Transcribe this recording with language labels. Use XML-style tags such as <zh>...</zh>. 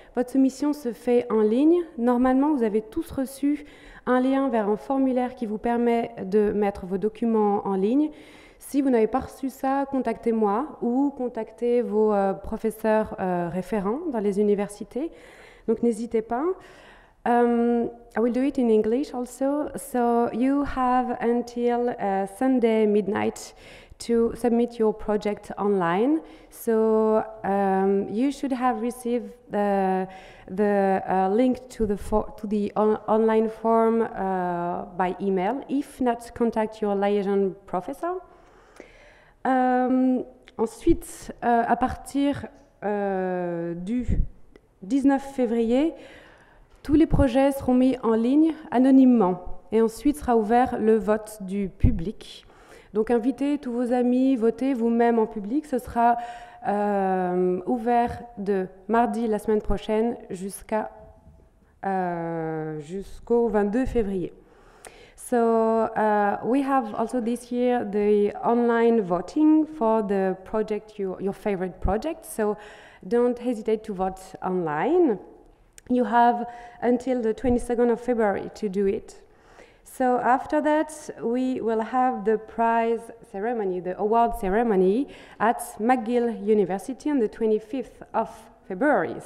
<fr>Votre soumission se fait en ligne. Normalement, vous avez tous reçu un lien vers un formulaire qui vous permet de mettre vos documents en ligne. Si vous n'avez pas reçu ça, contactez-moi ou contactez vos professeurs référents dans les universités. Donc, n'hésitez pas.</fr> <en>I will do it in English also. So you have until Sunday midnight to submit your project online. So you should have received the link to the online form by email. If not, contact your liaison professor.</en> <fr>Ensuite, à partir du 19 février, tous les projets seront mis en ligne anonymement et ensuite sera ouvert le vote du public. Donc invitez tous vos amis, votez vous-même en public. Ce sera ouvert de mardi la semaine prochaine jusqu'au 22 février.</fr> <en>So we have also this year the online voting for the project, your favorite project. So don't hesitate to vote online. You have until the 22nd of February to do it. So after that, we will have the prize ceremony, the award ceremony at McGill University on the 25th of February.</en>